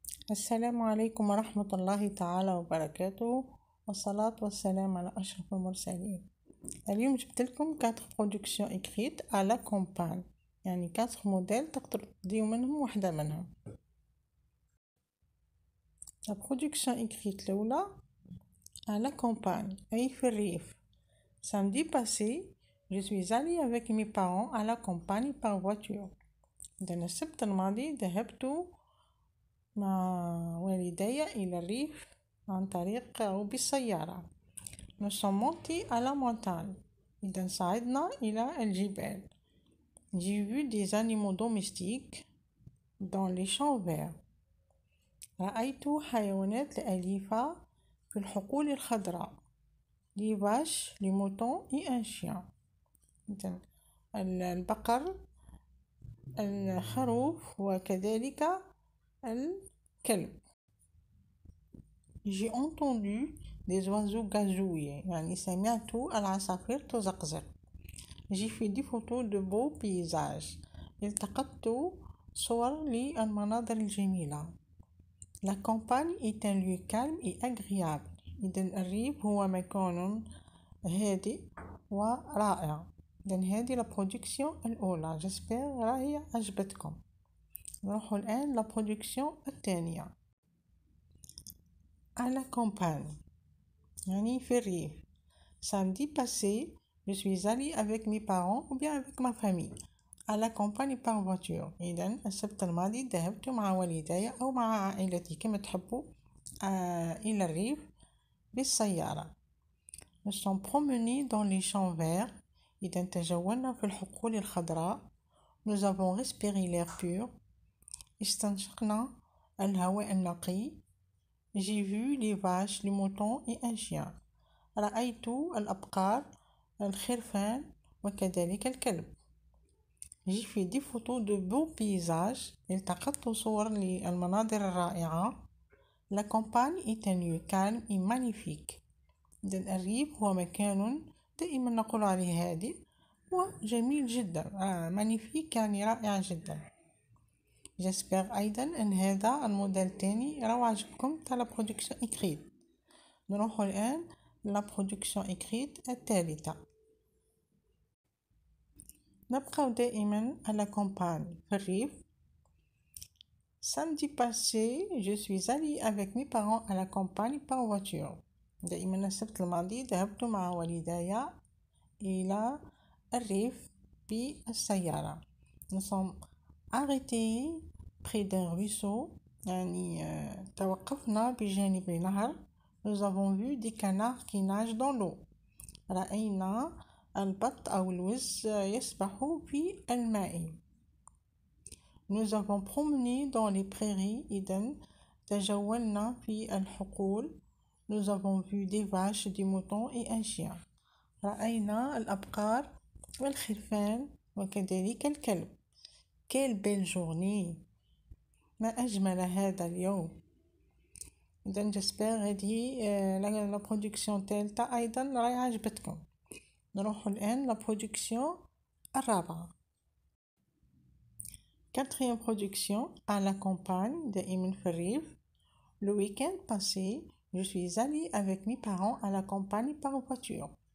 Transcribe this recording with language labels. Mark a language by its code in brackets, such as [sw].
[ar] السلام عليكم ورحمة الله تعالى وبركاته، والصلاة والسلام على أشرف المرسلين. اليوم جبت لكم [fr] 4 production écrites à la campagne، [ar] يعني 4 موديل تقدروا تديو منهم واحدة منهم. [fr] La production écrite الأولى à la campagne، [ar] أي في الريف. [fr] Samedi passé, je suis allée avec mes parents à la campagne par voiture. [ar] دنا السبت الماضي ذهبتُ مع والدي إلى الريف عن طريق أو بالسيارة. [fr] Nous sommes montés à la montagne. [ar] إذن صعدنا إلى الجبال. [fr] J'ai vu des animaux domestiques dans les champs verts. [ar] رأيت حيوانات أليفة في الحقول الخضراء. [fr] Les vaches, les moutons et un chien. [ar] إذن البقر، الخروف وكذلك الكلب. [fr] J'ai entendu des oiseaux gazouiller. [ar] يعني سمعت العصافير تزقزق. [fr] J'ai fait des photos de beaux paysages. [ar] التقطت صور للمناظر الجميلة. [fr] La campagne est un lieu calme et agréable. [ar] إذن الريف هو مكان هادئ ورائع. إذن هذه لا برودكسيون الأولى. جسبر راهي عجبتكم. نروحوا الآن لا برودكسيون الثانية. [fr] À la campagne. [ar] يعني في الريف. [fr] Samedi passé, je suis allée avec mes parents ou bien avec ma famille. À la campagne par voiture. [ar] إذن السبت الماضي ذهبت مع والدي أو مع عائلتي كما تحبوا إلى الريف بالسيارة. [fr] Nous sommes promenés dans les champs verts. [ar] إذن تجولنا في الحقول الخضراء. [fr] Nous avons respiré l'air pur. [ar] استنشقنا الهواء النقي. [fr] J'ai vu les vaches, les moutons et un chien. [ar] رأيت الأبقار، الخرفان وكذلك الكلب. [fr] J'ai fait des photos de beaux paysages. [ar] التقطت صور للمناظر الرائعة. [fr] La campagne est un lieu calme et magnifique. [ar] إذن الريف هو مكان دائما نقول عليه هادئ وجميل جدا. مانيفيك يعني رائع جدا. جسبر أيضا أن هذا الموديل الثاني روع عجبكم تاع لا برودكسيون إكريت. نروحوا الآن لا برودكسيون إكريت الثالثة. نبقى دائما على كومبان في الريف. [fr] Samedi passé, je suis allée avec mes parents à la campagne par voiture. [ar] دائما السبت الماضي ذهبت مع والدي إلى الريف بالسيارة. [fr] Nous sommes arrêtés près d'un ruisseau. [ar] يعني توقفنا بجانب نهر. [fr] Nous avons vu des canards qui nagent dans l'eau. [ar] رأينا البط أو الوز يسبح في الماء. [fr] Nous avons promené dans les prairies. [ar] إذن تجولنا في الحقول. [fr] Nous avons vu des vaches, des moutons et un chien. [ar] رأينا الأبقار والخرفان وكذلك الكلب. [fr] Quelle belle journée! [ar] ما أجمل هذا اليوم! إذن جسبر هذه لا برودكسيون تالتة أيضا راهي عجبتكم. نروحوا الآن لا برودكسيون الرابعة. [fr] Quatrième production à la campagne [ar] دائما في الريف. [fr] Le week-end passé, je suis allée avec mes parents à la campagne par voiture.